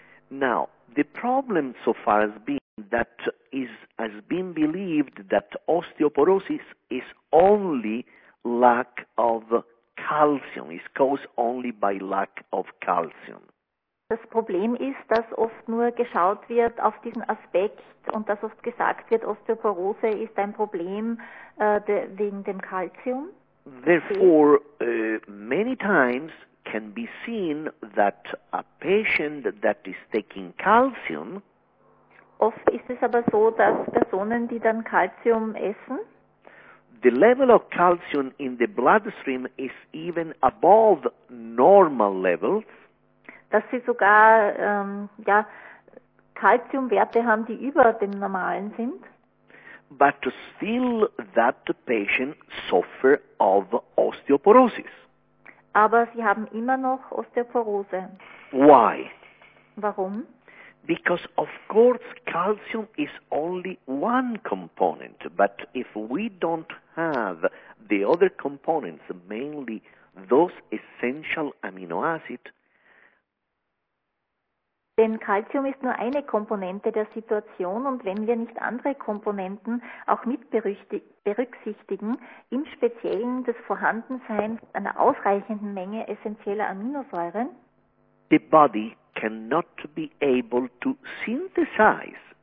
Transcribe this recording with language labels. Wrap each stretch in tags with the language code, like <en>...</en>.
<en>Now, the problem so far has been that has been believed that osteoporosis is only lack of calcium, is caused only by lack of calcium.</en> <de>Das Problem ist, dass oft nur geschaut wird auf diesen Aspekt und dass oft gesagt wird, Osteoporose ist ein Problem wegen dem Calcium.</de> <en>Therefore, many times can be seen that a patient that is taking calcium,</en> <de>oft ist es aber so, dass Personen, die dann Calcium essen,</de> <en>the level of calcium in the bloodstream is even above normal levels,</en> <de>dass sie sogar Calciumwerte haben, die über dem normalen sind,</de> <en>but still that patient suffer of osteoporosis.</en> <de>Aber sie haben immer noch Osteoporose.</de> <en>Why?</en> <de>Warum?</de> <en>Because of course calcium is only one component, but if we don't have the other components, mainly those essential amino acids,</en> <de>denn Calcium ist nur eine Komponente der Situation und wenn wir nicht andere Komponenten auch mit berücksichtigen, im Speziellen das Vorhandensein einer ausreichenden Menge essentieller Aminosäuren,</de> <en>the body cannot be able to synthesize</en>